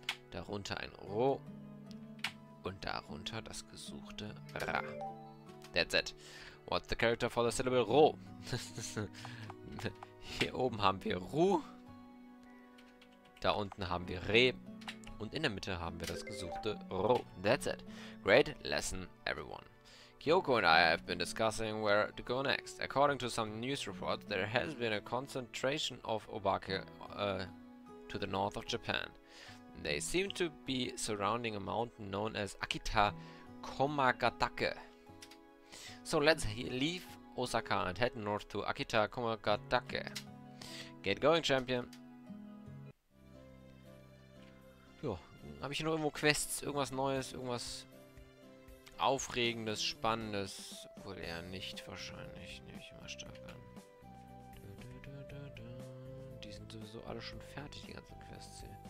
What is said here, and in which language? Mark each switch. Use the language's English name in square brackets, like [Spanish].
[German] Darunter ein Ro. Und darunter das gesuchte Ra. [English] That's it. What's the character for the syllable Ro? [German] Hier oben haben wir Ru. Da unten haben wir Re. Und in der Mitte haben wir das gesuchte Ro. [English] That's it. Great lesson, everyone. Kyoko and I have been discussing where to go next. According to some news reports, there has been a concentration of Obake to the north of Japan. They seem to be surrounding a mountain known as Akita Komagatake. So let's leave Osaka and head north to Akita Komagatake. Get going, champion! [German] Jo, habe ich hier noch irgendwo Quests, irgendwas Neues, irgendwas Aufregendes, Spannendes? Wohl eher nicht, wahrscheinlich. Nehme ich mal stark an. Die sind sowieso alle schon fertig, die ganzen Quests hier.